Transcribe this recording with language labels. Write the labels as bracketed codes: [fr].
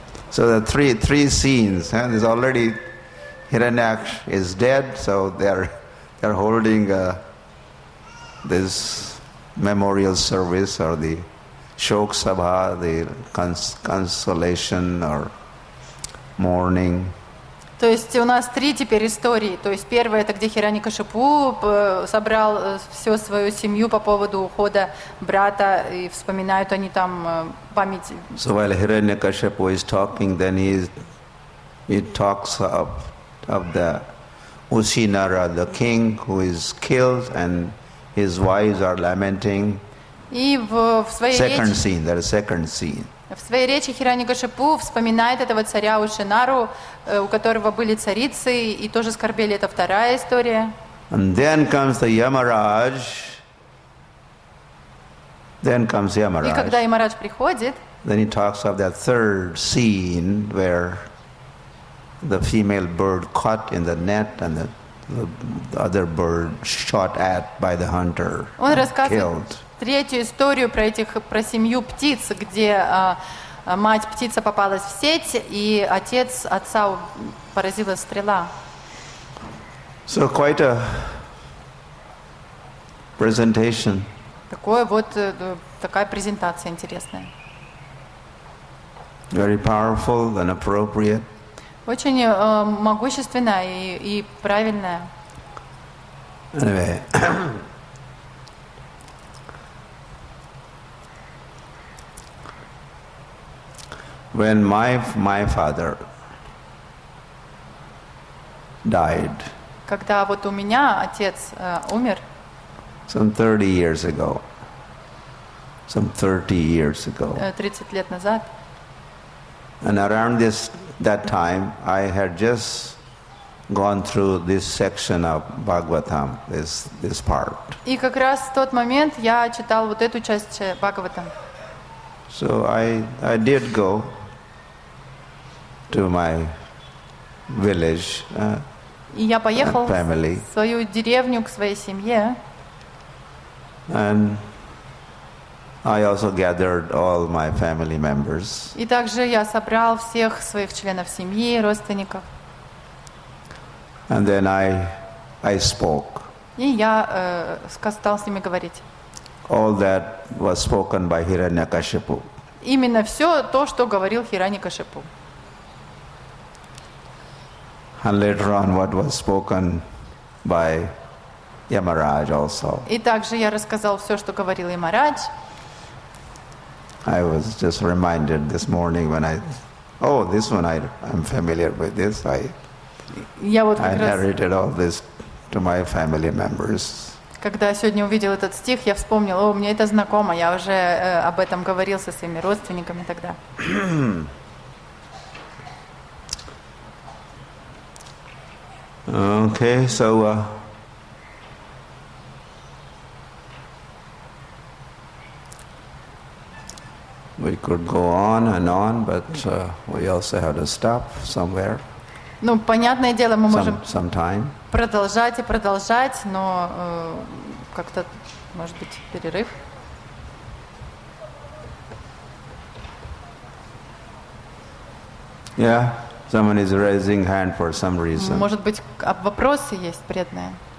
[en] So the three scenes, and there's already Hiranyaksha is dead, so they're holding this memorial service or the Shok Sabha, the consolation or mourning. [ru] То есть у нас три теперь истории. То есть первая — это где Хираньякашипу собрал всю свою семью по поводу ухода брата, и вспоминают они там память. [en] So while Hiranyakashipu is talking, then he talks of the Ushinara, the king who is killed, and his wives are lamenting. [ru] И в своей речи. [en] Second scene. That is second scene. [ru] В своей речи Хираньякашипу вспоминает этого царя Ушинару, у которого были царицы, и тоже скорбели. Это вторая история. [en] And then comes the Yamaraj. Then comes Yamaraj. [ru] И когда Ямарадж приходит, [en] Then he talks of that third scene where the female bird caught in the net and the other bird shot at by the hunter and killed. [ru] Третью историю про этих про семью птиц, где мать птица попалась в сеть и отец отца поразила стрела. [en] So quite a presentation. [ru] Такое вот такая презентация интересная. [en] Very powerful and appropriate. [ru] Очень могущественная и правильная. [en] Anyway. When my father died. [ru] Когда вот у меня отец умер. [en] Some 30 years ago. [ru] 30 лет назад. [en] And around that time I had just gone through this section of Bhagavatam, this part. [ru] И как раз в тот момент я читал вот эту часть Бхагаватам. [en] So I did go to my village, family. [ru] В свою деревню, к своей семье. [en] And I also gathered all my family members. [ru] И также я собрал всех своих членов семьи, родственников. [en] And then I spoke. [ru] И я стал с ними говорить. [en] All that was spoken by Hiranyakashipu. [ru] Именно все то, что говорил Хираньякашипу. [en] And later on, what was spoken by Yamaraj also. [ru] И также я рассказал все, что говорил Ямарадж. [en] I was just reminded this morning when I, oh, this one I'm familiar with this. I inherited all this to my family members. [ru] Когда я сегодня увидел этот стих, я вспомнил, о, мне это знакомо, я уже об этом говорил со своими родственниками тогда. [en] Okay, so we could go on and on, but we also have to stop somewhere. [ru] Ну, понятное дело, мы можем [en] sometime. [ru] Продолжать и продолжать, но как-то, может быть, перерыв. [en] Yeah. Someone is raising hand for some reason. [ru] Может быть, вопросы есть преданные?